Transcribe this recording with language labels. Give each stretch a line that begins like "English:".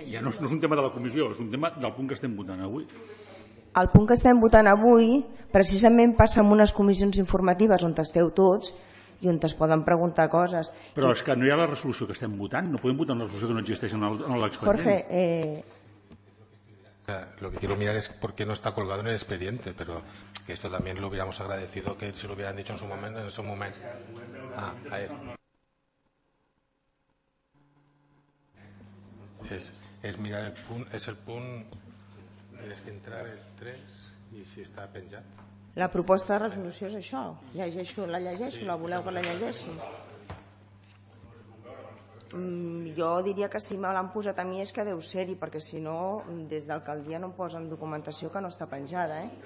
Catalan: Ja no és un tema de la comissió, és un tema del punt que estem votant avui. El punt que estem votant avui precisament passa en unes comissions informatives on esteu tots i on es poden preguntar coses. Però és que no hi ha la resolució que estem votant, no podem votar una resolució que no existeix en l'expedient.
Spanish: Jorge, lo que quiero mirar es por qué no está colgado en el expediente, pero que esto también lo hubiéramos agradecido que se lo hubieran dicho en su momento, en ese momento. Ah, ahí. Es mirar el punt, es el punt, tienes que entrar el 3 y si está penjat.
Catalan: La proposta de resolució és això. La llegeixo, sí, la voleu que la llegeixi. Jo diria que si me l'han posat a mi és que deu ser-hi, perquè si no, des d'alcaldia no em posen documentació que no està penjada.